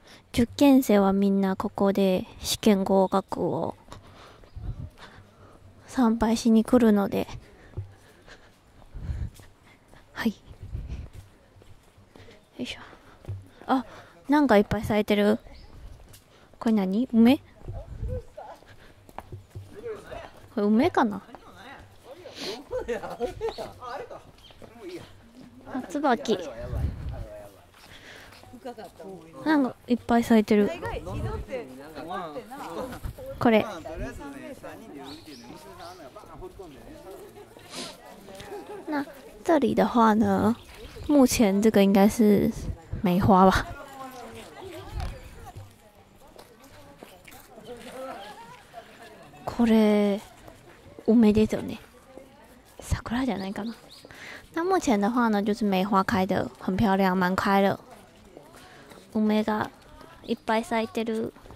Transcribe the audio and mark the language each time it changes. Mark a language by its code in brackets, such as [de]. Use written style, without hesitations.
[ja] 受験生はみんなここで試験合格を参拝しに来るので、はい、よいしょ。あ、なんかいっぱい咲いてる。これ何？梅？これ梅かな。松葉木、なんかいっぱい咲いてる。これな、 [zh] 这里的话呢目前这个应该是梅花吧。 [ja] これ梅ですよね。桜じゃないかな。 [zh] 那目前的话呢就是梅花开的很漂亮，蛮开的。 [ja] 梅がいっぱい咲いてる。